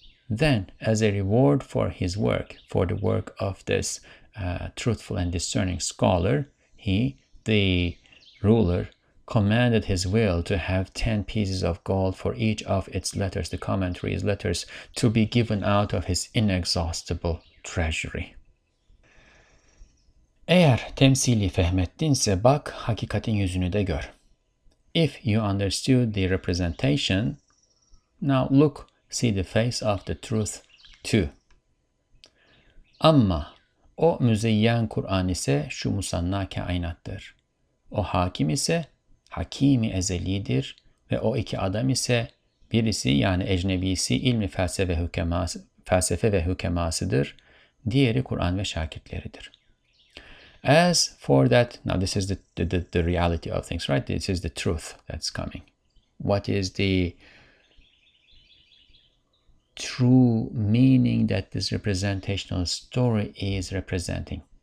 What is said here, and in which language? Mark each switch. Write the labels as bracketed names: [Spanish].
[English] Then, as a reward for his work, for the work of this truthful and discerning scholar, he, the ruler, commanded his will to have 10 pieces of gold for each of its letters, the commentary's letters, to be given out of his inexhaustible treasury. [Turkish] Eğer temsili fehmettinse bak, hakikatin yüzünü de gör. [English] If you understood the representation, now look, see the face of the truth too. [Turkish] Amma, o müzeyyen Kur'an ise şu musanna kainattır. O hakim ise hakimi ezelidir ve o iki adam ise birisi yani ecnebisi ilmi felsefe ve hükemasıdır, diğeri Kur'an ve şakirtleridir. [English] As for that, now this is the reality of things, right? This is the truth that's coming. What is the true meaning that this representational story is representing?